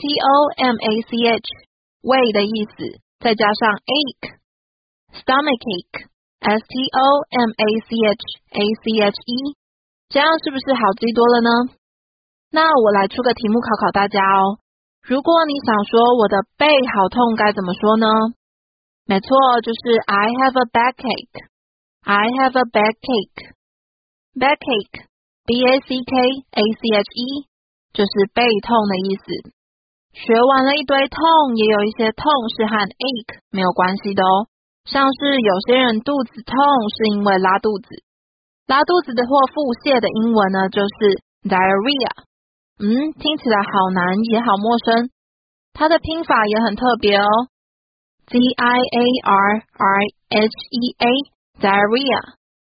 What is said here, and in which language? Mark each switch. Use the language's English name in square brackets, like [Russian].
[Chinese] S-T-O-M-A-C-H， 胃的意思，再加上 ache， stomachache， S-T-O-M-A-C-H-A-C-H-E， 这样是不是好记多了呢？那我来出个题目考考大家哦。如果你想说我的背好痛，该怎么说呢？没错，就是 [English] I have a backache， [Chinese] I have a backache， backache， B-A-C-K-A-C-H-E， 就是背痛的意思。学完了一堆痛，也有一些痛是和 ache 没有关系的哦。像是有些人肚子痛是因为拉肚子，拉肚子的或腹泻的英文呢就是 diarrhea。嗯，听起来好难也好陌生，它的拼法也很特别哦， D-I-A-R-R-H-E-A diarrhea。